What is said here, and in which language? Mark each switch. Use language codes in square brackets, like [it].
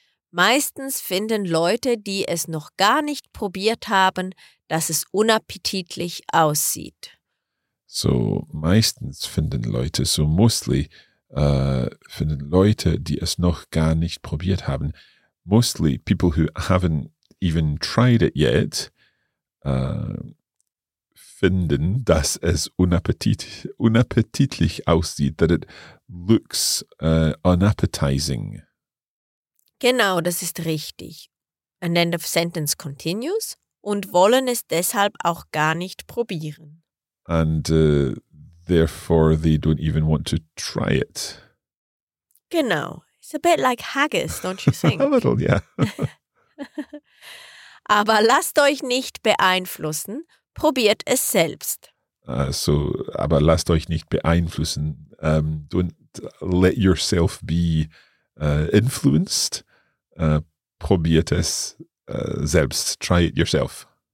[de] Meistens finden Leute, die es noch gar nicht probiert haben, dass es unappetitlich aussieht. So, meistens finden Leute, [en] so mostly, [de] finden Leute, die es noch gar nicht probiert haben. [en] Mostly, people who haven't even tried it yet, [de] finden, dass es unappetitlich aussieht, [en] that it looks unappetizing. [de] Genau, das ist richtig. [en] An end of sentence continues [de] und wollen es deshalb auch gar nicht probieren. [en] And therefore they don't even want to try it. [de] Genau. [en] It's a bit like haggis, don't you think? A little, yeah. [de] Aber lasst euch nicht beeinflussen, probiert es selbst. Aber lasst euch nicht beeinflussen. [en] Don't let yourself be influenced. [de] Probiert es selbst. [en] Try it yourself.